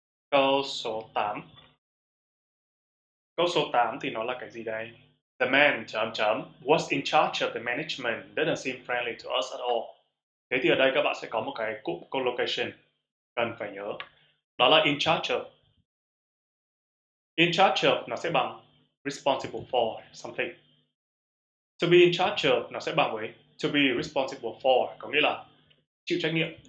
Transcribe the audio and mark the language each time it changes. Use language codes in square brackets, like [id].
[vi] Câu số 8. Câu số 8 thì nó là cái gì đây? [en] The man [vi] chấm chấm [en] was in charge of the management doesn't seem friendly to us at all. [vi] Thế thì ở đây các bạn sẽ có một cái cụm collocation cần phải nhớ. Đó là in charge of. [en] In charge of [vi] nó sẽ bằng [en] responsible for something. To be in charge of [vi] nó sẽ bằng với [en] to be responsible for, [vi] có nghĩa là chịu trách nhiệm.